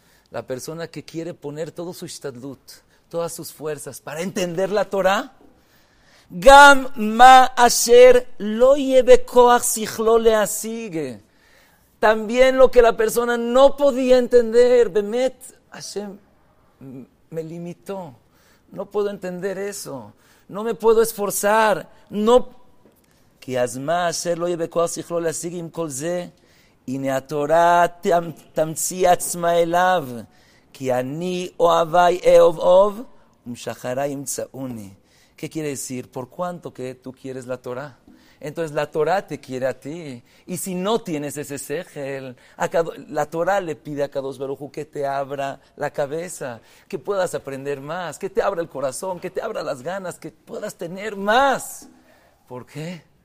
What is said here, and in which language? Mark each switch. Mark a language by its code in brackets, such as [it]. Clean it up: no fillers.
[es] La persona que quiere poner todo su ishtadlut, todas sus fuerzas para entender la Torah, [he] gam ma asher lo yebe koach sichlo leasig. [es] También lo que la persona no podía entender, bemet, Hashem me limitó. No puedo entender eso. No me puedo esforzar. No puedo. [he] כי אז מה אשר לא יהיה בכוח שיכלו להשיג עם כל זה? הנה התורה תמציא עצמה אליו, כי אני אוהבי אהוב, ומשחרי ימצאוני. [es] ¿Qué quiere decir? ¿Por cuánto que tú quieres la Torah? Entonces la Torah te quiere a ti. Y si no tienes ese sejel, la Torah le pide a Kadosh Baruj Hu que te abra la cabeza, que puedas aprender más, que te abra el corazón, que te abra las ganas, que puedas tener más. ¿Por qué?